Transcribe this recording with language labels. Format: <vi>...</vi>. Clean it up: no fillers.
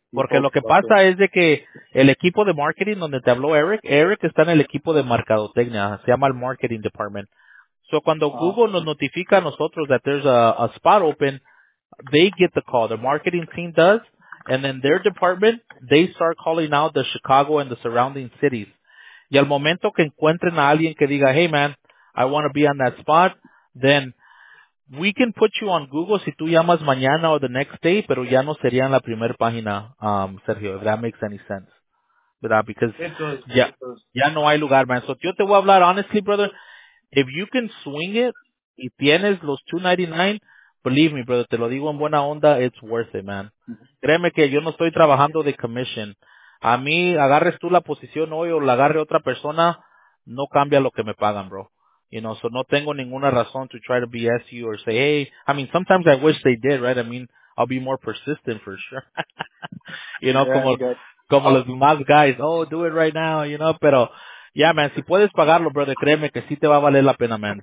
<es>Porque lo que pasa es de que el equipo de marketing donde te habló Eric está en el equipo de mercadotecnia, se llama el marketing department.</es> <en>So</en> <es>cuando Google nos notifica a nosotros</es> <en>that there's a spot open, they get the call. The marketing team does, and then their department, they start calling out the Chicago and the surrounding cities.</en> <es>Y al momento que encuentren a alguien que diga,</es> <en>hey man, I want to be on that spot, then we can put you on Google</en> <es>si tú llamas mañana</es> <en>or the next day,</en> <es>pero ya no sería en la primera página,</es> <en>Sergio, if that makes any sense.</en> <es>¿Verdad?</es> <en>Because</en> <es>ya no hay lugar, man. So yo te voy a hablar</es> <en>honestly,</en> <es>brother.</es> <en>If you can swing it</en> <es>y tienes los $299,</es> <en>believe me, brother,</en> <es>te lo digo en buena onda,</es> <en>it's worth it, man.</en> <es>Créeme que yo no estoy trabajando de commission. A mí, agarres tú la posición hoy o la agarre otra persona, no cambia lo que me pagan, bro.</es> <en>You know, so</en> <es>no tengo ninguna razón</es> <en>to try to BS you or say, hey, I mean, sometimes I wish they did, right? I mean, I'll be more persistent for sure. You know,</en> <es>como los demás guys,</es> <en>oh, do it right now, you know,</en> <es>pero,</es> <en>yeah, man,</en> <es>si puedes pagarlo, brother, créeme que sí te va a valer la pena, man.</es>